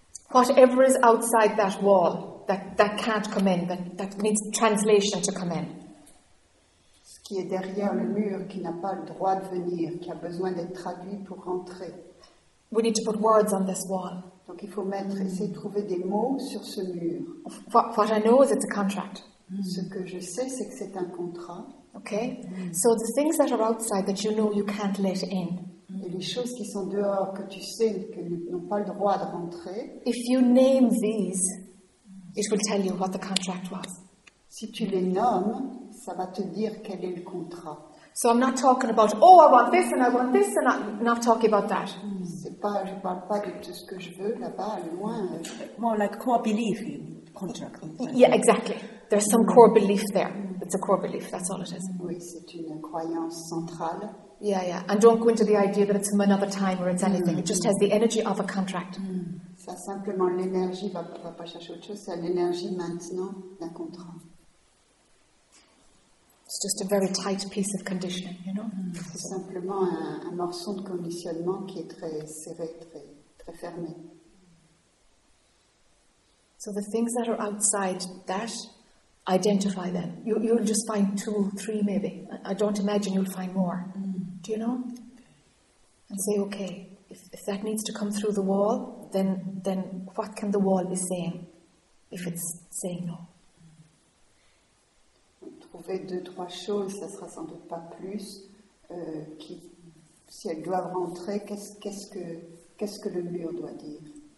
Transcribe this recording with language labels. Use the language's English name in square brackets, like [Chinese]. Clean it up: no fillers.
[English] Whatever is outside that wall that can't come in, that needs translation to come in. [French] Ce qui est derrière le mur qui n'a pas le droit de venir, qui a besoin d'être traduit pour rentrer. [English] We need to put words on this wall. [French] Donc il faut essayer de trouver des mots sur ce mur. [English] What I know is it's a contract. [French] Ce que je sais, c'est que c'est un contrat. [English] Okay. So the things that are outside that you know you can't let in. [French] Et les choses qui sont dehors que tu sais que n'ont pas le droit de rentrer. [English] If you name these, it will tell you what the contract was. [French] Si tu les nommes, ça va te dire quel est le contrat. [English] So I'm not talking about oh I want this and I want this and I'm not talking about that. [French] C'est pas je parle pas de tout ce que je veux là-bas loin. [English] More like core belief contract. Yeah, exactly. There's some core belief there. It's a core belief. That's all it is. [French] Oui, c'est une croyance centrale. [English] Yeah, yeah. And don't go into the idea that it's from another time or it's anything. It just has the energy of a contract. [French] Ça simplement l'énergie va pas chercher autre chose, c'est l'énergie maintenant d'un contrat. [English] It's just a very tight piece of conditioning, you know? [French] C'est simplement un morceau de conditionnement qui est très serré, très, très fermé. [English] So the things that are outside that, identify them. You'll just find two, three maybe. I don't imagine you'll find more. Do you know? And say, okay, if that needs to come through the wall, then what can the wall be saying if it's saying no? [French] Trouver deux, trois choses, ça sera sans doute pas plus. Si elles doivent rentrer, qu'est-ce que le mur doit dire?